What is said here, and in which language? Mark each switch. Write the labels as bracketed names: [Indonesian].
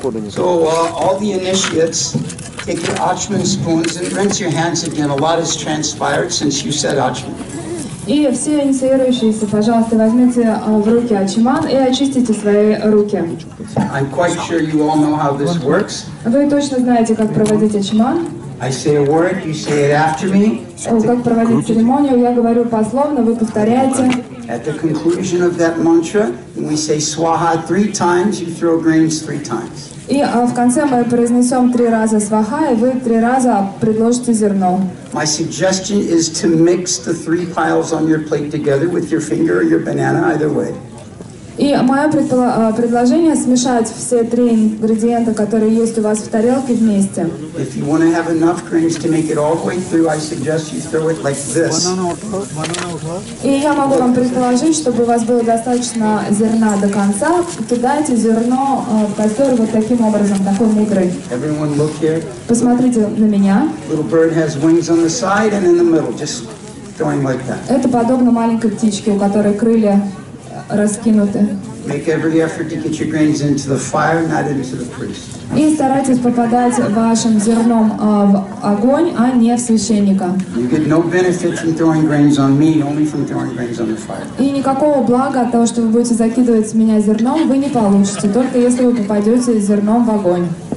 [English] So, all the initiates, take your achman spoons and rinse your hands again. A lot has transpired since you said achman. [Russian] И все инициирующиеся, пожалуйста, возьмите в руки ачиман и очистите свои руки. [English] I'm quite sure you all know how this works. [Russian] Вы точно знаете, как проводить ачиман. [English] I say a word, you say it after me. [Russian] Как проводить церемонию, я говорю пословно, вы повторяете. [English] At the conclusion of that mantra, we say swaha three times, you throw grains three times. [Russian] И в конце мы произнесем три раза сваха, и вы три раза предложите зерно. [English] My suggestion is to mix the three piles on your plate together with your finger or your banana, either way. [Russian] И мое предложение смешать все три ингредиента, которые есть у вас в тарелке вместе. [English] If you want to have enough grains to make it all the way through, I suggest you throw it like this. [Russian] И я могу вам предложить, чтобы у вас было достаточно зерна до конца, кидайте зерно в костер вот таким образом, такой мудрый. [English] Everyone look here. [Russian] Посмотрите на меня. [English] Little bird has wings on the side and in the middle, just throwing like that. [Russian] Это подобно маленькой птичке, у которой крылья. [English] Make every effort to get your grains into the fire, not into the priest. [Russian] И старайтесь попадать вашим зерном в огонь, а не в священника. [English] You get no benefit from throwing grains on me, only from throwing grains on the fire. [Russian] И никакого блага от того, что вы будете закидывать с меня зерном, вы не получите, только если вы попадете зерном в огонь.